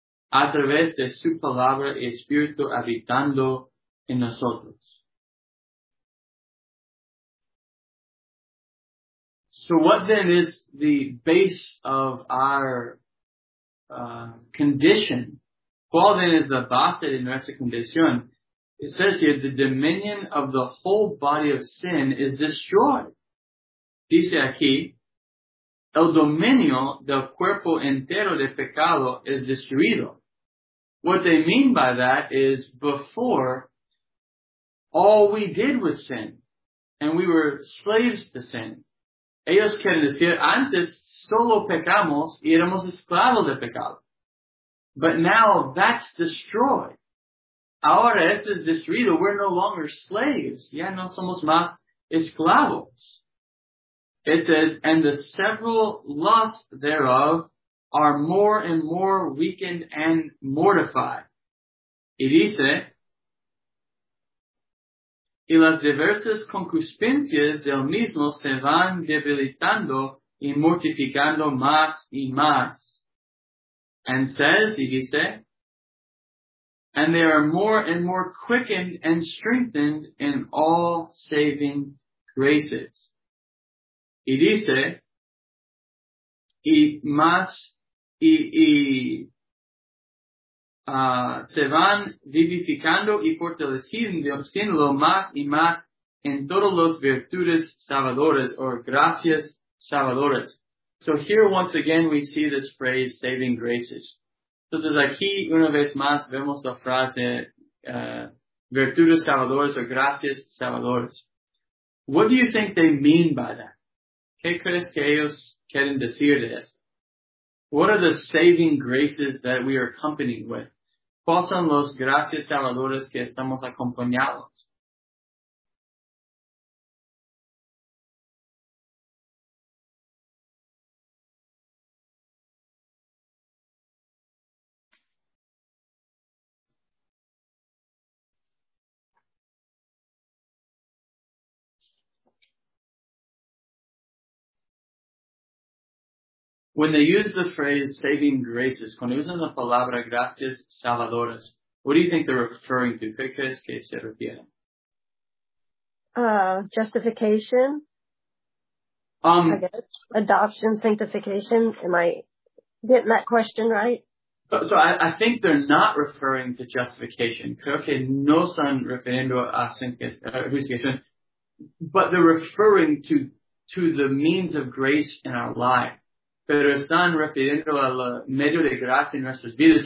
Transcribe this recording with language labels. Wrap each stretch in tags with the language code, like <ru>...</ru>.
<es>A través de su palabra y espíritu habitando en nosotros.</es> <en>So what then is the base of our condition?</en> <es>¿Cuál</es> <en>then is the base</en> <es>de nuestra condición?</es> <en>It says here, the dominion of the whole body of sin is destroyed.</en> <es>Dice aquí, el dominio del cuerpo entero de pecado es destruido.</es> <en>What they mean by that is before, all we did was sin. And we were slaves to sin.</en> <es>Ellos quieren decir, antes solo pecamos y éramos esclavos de pecado.</es> <en>But now that's destroyed.</en> <es>Ahora esto es destruido.</es> <en>We're no longer slaves.</en> <es>Ya no somos más esclavos.</es> <en>It says, and the several lusts thereof are more and more weakened and mortified.</en> <es>Y dice, y las diversas concupiscencias del mismo se van debilitando y mortificando más y más.</es> <en>And says,</en> <es>y dice,</es> <en>and they are more and more quickened and strengthened in all saving graces.</en> <es>Y dice, se van vivificando y fortaleciendo más y más en todas las virtudes salvadoras o gracias salvadoras.</es> <en>So here once again we see this phrase, saving graces.</en> <es>Entonces aquí una vez más vemos la frase, virtudes salvadoras o gracias salvadoras.</es> <en>What do you think they mean by that?</en> <es>¿Qué crees que ellos quieren decir de esto?</es> <en>What are the saving graces that we are accompanied with?</en> <es>¿Cuáles son los gracias salvadores que estamos acompañados?</es> <en>When they use the phrase saving graces,</en> <es>cuando usan la palabra gracias salvadoras,</es> <en>what do you think they're referring to?</en> <es>¿Qué crees que se refieren?</es> <en>Justification. I guess. Adoption, sanctification. Am I getting that question right? So I think they're not referring to justification.</en> <es>Creo que no son refiriendo a</es> <en>justification, but they're referring to the means of grace in our life.</en> <es>pero están refiriendo al medio de gracia en nuestras vidas.</es>